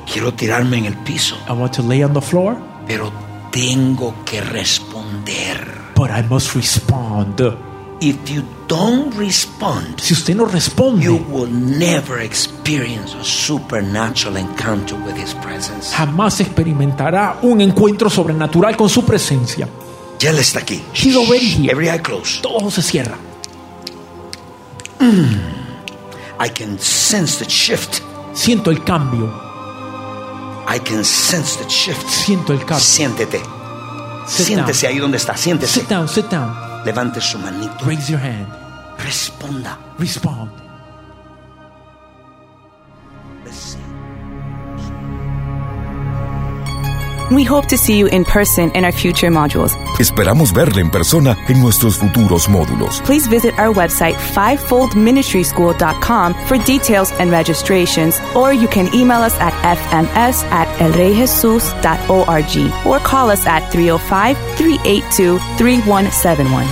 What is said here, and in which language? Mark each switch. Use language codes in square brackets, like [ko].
[es] Quiero tirarme en el piso. [en] I want to lay on the floor. [es] Pero tengo que responder. [en] But I must respond. If you don't respond, [es] si usted no responde, [en] you will never experience a supernatural encounter with his presence. [es] Jamás experimentará un encuentro sobrenatural con su presencia. Ya él está aquí. [en] He's already here. Every eye closed. [es] Todo se cierra. [en] I can sense the shift. [es] Siento el cambio. [en] I can sense the shift. [es] Siento el cambio. Siéntete. [en] Sit [es] Siéntese [en] down. [es] Ahí donde está. Siéntese. [en] Sit down, sit down. [es] Levante su manito. [en] Raise your hand. [es] Responda. [en] Respond. We hope to see you in person in our future modules. [es] Esperamos verle en persona en nuestros futuros módulos. [en] Please visit our website, fivefoldministryschool.com, for details and registrations, or you can email us at fms@elreyjesus.org or call us at 305-382-3171.